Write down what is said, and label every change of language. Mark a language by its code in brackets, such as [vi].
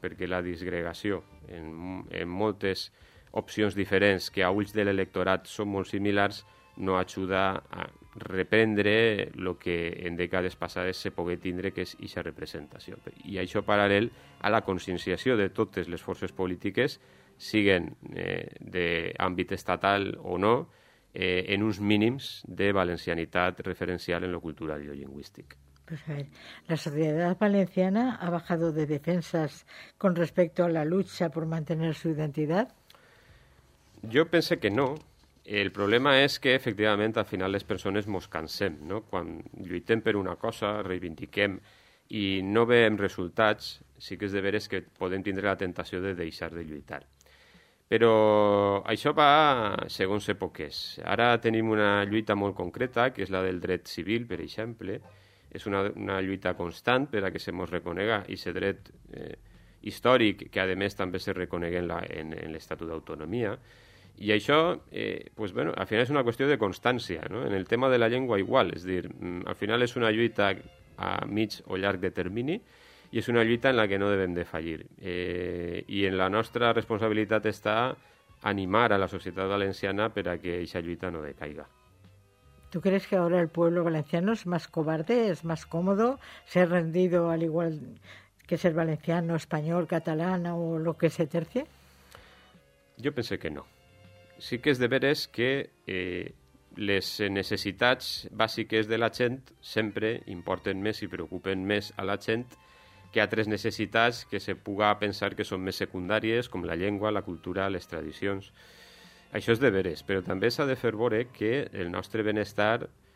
[ca] Perquè la disgregació en moltes opcions diferents que a ulls de l'electorat són molt similars no ajuda a reprendre el que en dècades passades se pogué tindre, que és aquesta representació. I això paral·lel a la conscienciació de totes les forces polítiques, siguen d'àmbit estatal o no, en uns mínims de valencianitat referencial en lo cultural i lo lingüístic. [es] Pues a ver, la sociedad valenciana ha bajado de defensas con respecto a la lucha por mantener su identidad? [ca] Jo pense que no. El problema és que, efectivament, al final les persones mos cansem, no? Quan lluitem per una cosa, reivindiquem i no veiem resultats, sí que és de veres que podem tindre la tentació de deixar de lluitar. Però això va segons èpoques. Ara tenim una lluita molt concreta, que és la del dret civil, per exemple. És una lluita constant per a que se mos reconega aquest dret històric, que a més també se reconegui en l'Estatut d'Autonomia. I això, pues, bueno, al final és una qüestió de constància, no? En el tema de la llengua igual, és a dir, al final és una lluita a mig o llarg de termini, i és una lluita en la que no devem de fallir. I en la nostra responsabilitat està animar a la societat valenciana per a que aquesta lluita no decaiga. [es] ¿Tú crees que ahora el pueblo valenciano es más cobarde, es más cómodo ser rendido al igual que ser valenciano, español, catalán o lo que se tercie? [ca] Jo pense que no. Sí que és de veres que les necessitats bàsiques de la gent sempre importen més i preocupen més a la gent que a tres necessitats que se puga pensar que són més secundàries, com la llengua, la cultura, les tradicions. Això és de veres, però també s'ha de fer veure que el nostre benestar